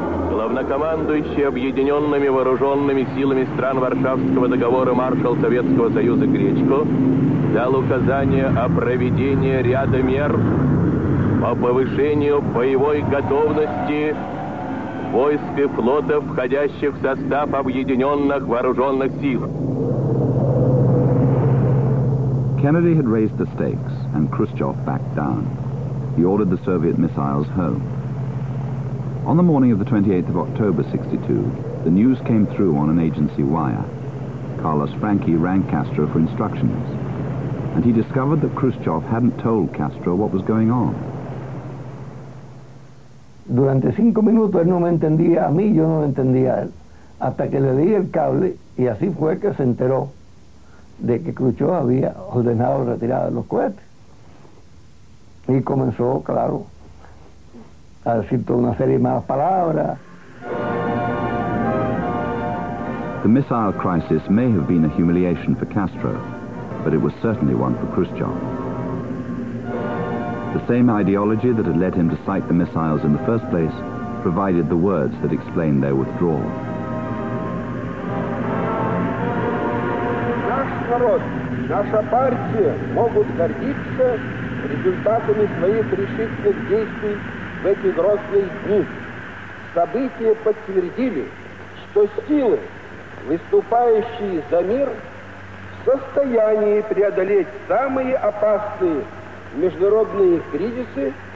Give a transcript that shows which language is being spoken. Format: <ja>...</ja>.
<ru>Главнокомандующий объединенными вооруженными силами стран Варшавского договора маршал Советского Союза Гречко дал указание о проведении ряда мер по повышению боевой готовности войск и флота, входящих в состав объединенных вооруженных сил.</ru> <en>Kennedy had raised the stakes, and Khrushchev backed down. He ordered the Soviet missiles home. On the morning of the 28th of October, 62, the news came through on an agency wire. Carlos Franchi rang Castro for instructions, and he discovered that Khrushchev hadn't told Castro what was going on.</en> <es>Durante 5 minutos él no me entendía a mí, yo no lo entendía a él. Hasta que le di el cable y así fue que se enteró de que Khrushchev había ordenado la retirada de los cohetes. Y comenzó, claro, a decir toda una serie de malas palabras.</es> <en>The missile crisis may have been a humiliation for Castro, but it was certainly one for Khrushchev. The same ideology that had led him to sight the missiles in the first place provided the words that explained their withdrawal.</en> <ru>Наш народ, наша партия могут гордиться результатами своих решительных действий в эти грозные дни. События подтвердили, что силы, выступающие за мир, в состоянии преодолеть самые опасные международные кризисы</ru>